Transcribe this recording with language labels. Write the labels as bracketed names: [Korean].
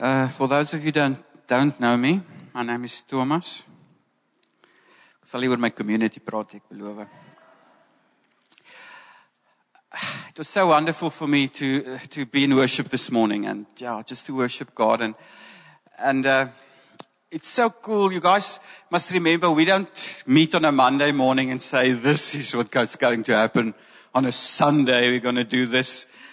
[English] For those of you don't know me, my name is Thomas. [Afrikaans] Ek sal hier oor my community praat, ek beloof. [English] It was so wonderful for me to be in worship this morning and yeah, just to worship God and it's so cool. You guys must remember we don't meet on a Monday morning and say this is what is going to happen on a Sunday. We're going to do this.